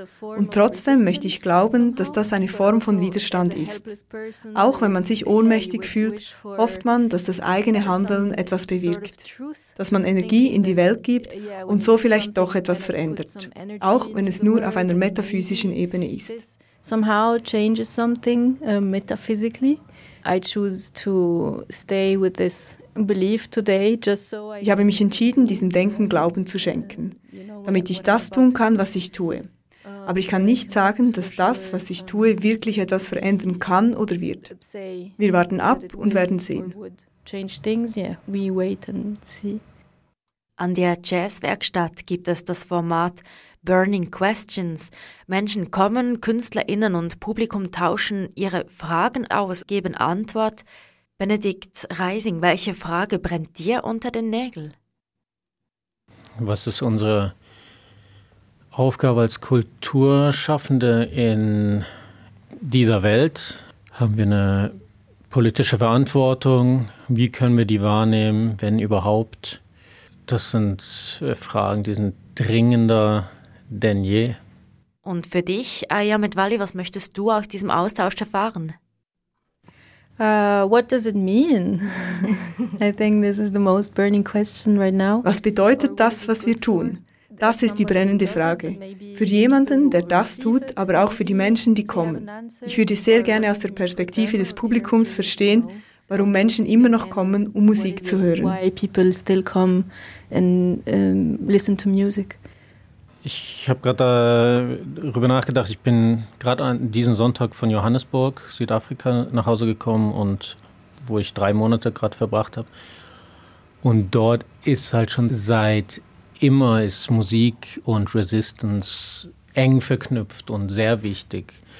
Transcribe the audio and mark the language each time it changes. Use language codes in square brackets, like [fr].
[de] Und trotzdem möchte ich glauben, dass das eine Form von Widerstand ist. Auch wenn man sich ohnmächtig fühlt, hofft man, dass das eigene Handeln etwas bewirkt, dass man Energie in die Welt gibt und so vielleicht doch etwas verändert, auch wenn es nur auf einer metaphysischen Ebene ist. [en] Somehow changes something metaphysically. I choose to stay with this belief today, just so. [de] Ich habe mich entschieden, diesem Denken Glauben zu schenken, damit ich das tun kann, was ich tue. Aber ich kann nicht sagen, dass das, was ich tue, wirklich etwas verändern kann oder wird. Wir warten ab und werden sehen. [en] Change things, yeah. We wait and see. [de] An der Jazzwerkstatt gibt es das Format Burning Questions. Menschen kommen, KünstlerInnen und Publikum tauschen ihre Fragen aus, geben Antwort. Benedikt Reising, welche Frage brennt dir unter den Nägeln? Was ist unsere Aufgabe als Kulturschaffende in dieser Welt? Haben wir eine politische Verantwortung? Wie können wir die wahrnehmen, wenn überhaupt? Das sind Fragen, die sind dringender denn je. Und für dich, Aya Medvalli, was möchtest du aus diesem Austausch erfahren? [en] What does it mean? I think this is the most burning question right now. [de] Was bedeutet das, was wir tun? Das ist die brennende Frage. Für jemanden, der das tut, aber auch für die Menschen, die kommen. Ich würde sehr gerne aus der Perspektive des Publikums verstehen, warum Menschen immer noch kommen, um Musik zu hören. [en] Why people still come and listen to music. [de] Ich habe gerade darüber nachgedacht, ich bin gerade an diesem Sonntag von Johannesburg, Südafrika, nach Hause gekommen, und wo ich 3 Monate gerade verbracht habe. Und dort ist halt schon seit immer ist Musik und Resistance eng verknüpft und sehr wichtig.